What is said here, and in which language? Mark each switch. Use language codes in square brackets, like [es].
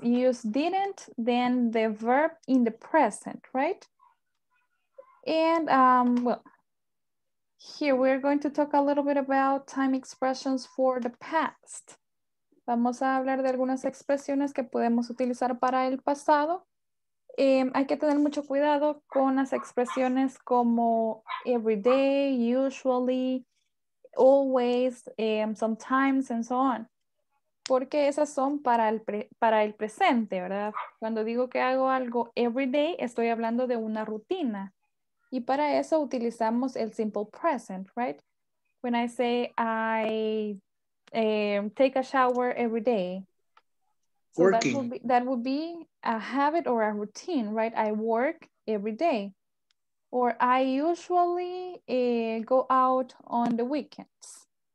[en] Use didn't, then the verb in the present, right? And well, Here we're going to talk a little bit about time expressions for the past. [es] Vamos a hablar de algunas expresiones que podemos utilizar para el pasado. Hay que tener mucho cuidado con las expresiones como [en] every day, usually, always, sometimes, and so on. [es] Porque esas son para el presente, ¿verdad? Cuando digo que hago algo [en] every day, [es] estoy hablando de una rutina. Y para eso utilizamos el simple present, right? [en] When I say I take a shower every day. So that would be a habit or a routine, right? I work every day. Or I usually go out on the weekends.